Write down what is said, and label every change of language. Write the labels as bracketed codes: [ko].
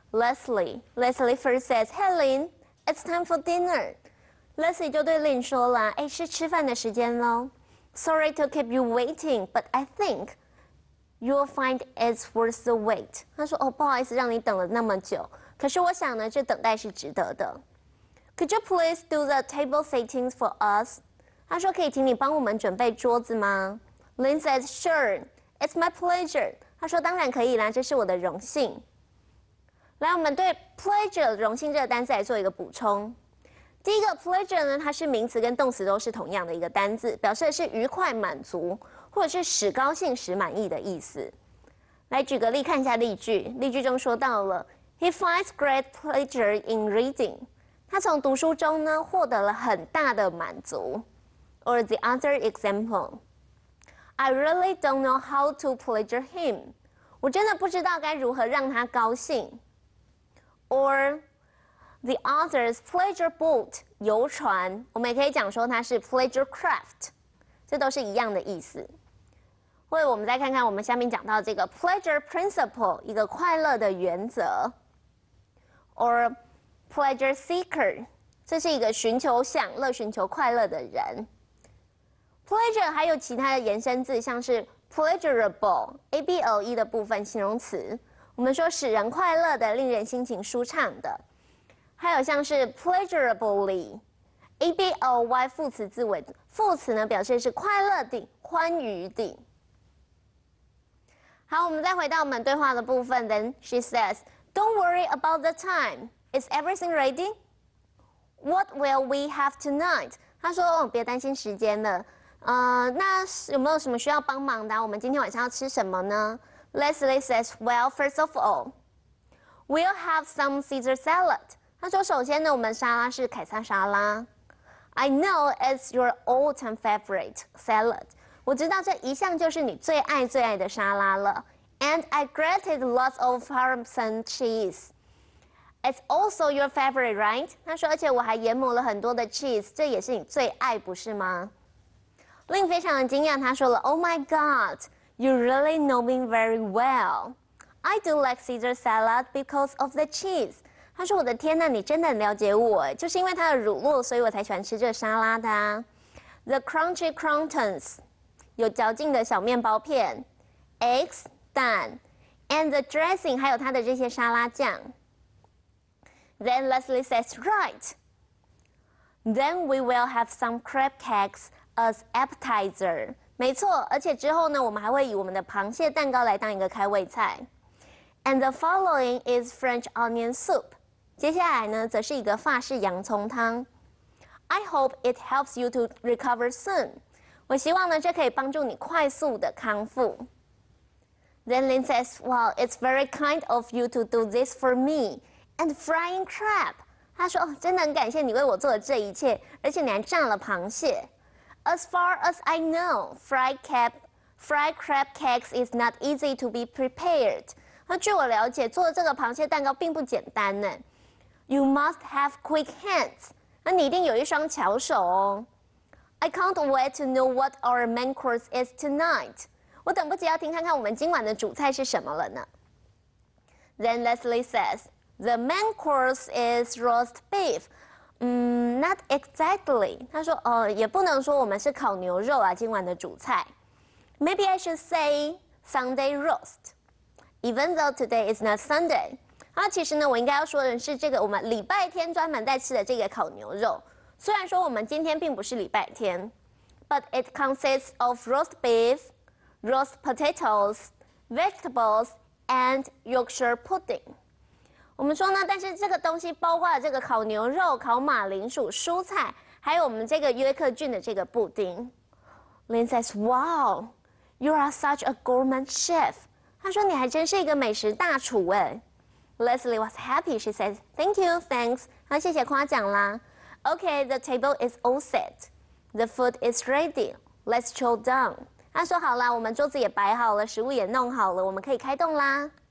[en] Leslie first says, "Hey, Lynn, it's time for dinner." [zh] Leslie 就对 Lynn 说了，哎，是吃饭的时间喽。 [en] Sorry to keep you waiting, but I think you'll find it's worth the wait. [zh] 他说，哦，不好意思，让你等了那么久。可是我想呢，这等待是值得的。 [en] Could you please do the table settings for us? [zh] 他说，可以请你帮我们准备桌子吗？ [en] Lynn says, "Sure, it's my pleasure." [zh] 他说，当然可以啦，这是我的荣幸。来，我们对 pleasure 荣幸这个单词来做一个补充。第一个 pleasure 呢，它是名词跟动词都是同样的一个单字，表示的是愉快、满足，或者是使高兴、使满意的意思。来举个例，看一下例句。例句中说到了 ， [en] He finds great pleasure in reading. [zh] 他从读书中呢获得了很大的满足。 [en] Or the other example, I really don't know how to pleasure him. [zh] 我真的不知道该如何让他高兴。 [en] Or the author's pleasure boat, [zh] 游船，我们也可以讲说它是 pleasure craft, 这都是一样的意思。或者我们再看看我们下面讲到这个 pleasure principle, 一个快乐的原则。 [en] Or pleasure seeker, [zh] 这是一个寻求享乐、寻求快乐的人。 Pleasure 还有其他的延伸字，像是 pleasurable, A-B-L-E 的部分形容词。我们说使人快乐的，令人心情舒畅的，还有像是 pleasurably, a b o y 副词字尾，副词呢表示是快乐的、欢愉的。好，我们再回到我们对话的部分。 [en] Then she says, "Don't worry about the time. Is everything ready? What will we have tonight?" [zh] 她说，哦，别担心时间了。那有没有什么需要帮忙的？我们今天晚上要吃什么呢？ [en] Leslie says, "Well, first of all, we'll have some Caesar salad." [zh] 他说，首先呢，我们沙拉是凯撒沙拉。 [en] I know it's your all-time favorite salad. [zh] 我知道这一向就是你最爱最爱的沙拉了。 [en] And I grated lots of Parmesan cheese. It's also your favorite, right? [zh] 他说，而且我还研磨了很多的 cheese， 这也是你最爱，不是吗 ？Lynn 非常的惊讶，他说了 ， [en] Oh my God。 You really know me very well. I do like Caesar salad because of the cheese. [zh] 他说：“我的天哪，你真的很了解我，就是因为它的乳酪，所以我才喜欢吃这个沙拉的啊。 [en] The crunchy croutons, [zh] 有嚼劲的小面包片 ，eggs 蛋 ， [en] and the dressing [zh] 还有它的这些沙拉酱。 [en] Then Leslie says, right. Then we will have some crab cakes as appetizer.” [zh] 没错，而且之后呢，我们还会以我们的螃蟹蛋糕来当一个开胃菜。 [en] And the following is French onion soup. [zh] 接下来呢，则是一个法式洋葱汤。 [en] I hope it helps you to recover soon. [zh] 我希望呢，这可以帮助你快速的康复。 [en] Then Lynn says, "Well, it's very kind of you to do this for me and frying crab." [zh] 他说，哦，真的很感谢你为我做的这一切，而且你还炸了螃蟹。 [en] As far as I know, fried crab cakes is not easy to be prepared. [zh] 那据我了解，做这个螃蟹蛋糕并不简单呢。 [en] You must have quick hands. [zh] 那你一定有一双巧手哦。 [en] I can't wait to know what our main course is tonight. [zh] 我等不及要听看看我们今晚的主菜是什么了呢。 [en] Then Leslie says, the main course is roast beef. Not exactly. [zh] 他说，也不能说我们是烤牛肉啊，今晚的主菜。 [en] Maybe I should say Sunday roast, even though today is not Sunday. [zh] 啊，其实呢，我应该要说的是这个我们礼拜天专门在吃的这个烤牛肉。虽然说我们今天并不是礼拜天 [en] ，but it consists of roast beef, roast potatoes, vegetables, and Yorkshire pudding. [zh] 我们说呢，但是这个东西包括了这个烤牛肉、烤马铃薯、蔬菜，还有我们这个约克郡的这个布丁。 [en] Lynn says, "Wow, you are such a gourmet chef." [zh] 他说你还真是一个美食大厨哎。 [en] Leslie was happy. She says, "Thank you, thanks." [zh] 他谢谢夸奖啦。 [en] Okay, the table is all set. The food is ready. Let's chow down. [zh] 他说好了，我们桌子也摆好了，食物也弄好了，我们可以开动啦。